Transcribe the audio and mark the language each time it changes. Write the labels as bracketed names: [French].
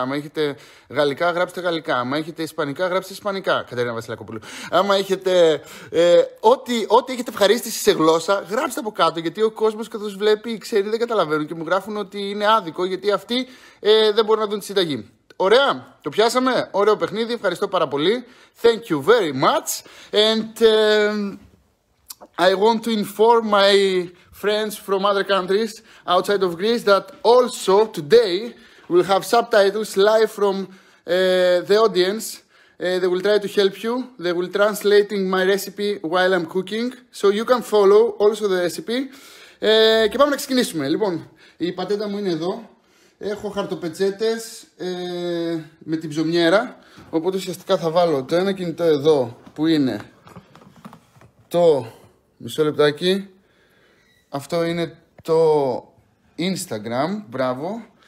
[Greek] Αν έχετε Γαλλικά, γράψτε Γαλλικά. Αν έχετε Ισπανικά, γράψτε Ισπανικά, Κατερίνα Βασιλακόπουλου. Άμα έχετε. Ό,τι έχετε ευχαρίστηση σε γλώσσα, γράψτε από κάτω. Γιατί ο κόσμος, καθώς βλέπει, οι ξένοι δεν καταλαβαίνουν και μου γράφουν ότι είναι άδικο, γιατί αυτοί δεν μπορούν να δουν τη συνταγή. Ωραία, το πιάσαμε. Ωραίο παιχνίδι. Ευχαριστώ πάρα πολύ. [English] Thank you very much. And I want to inform my friends from other countries outside of Greece that also today will have subtitles live from the audience. They will try to help you. They will translate my recipe while I'm cooking. So you can follow also the recipe. [Greek] Και πάμε να ξεκινήσουμε. Λοιπόν, η πατέντα μου είναι εδώ. Έχω χαρτοπετσέτες με την ψωμιέρα. Οπότε ουσιαστικά θα βάλω το ένα κινητό εδώ που είναι το. Μισό λεπτάκι. Αυτό είναι το Instagram, μπράβο.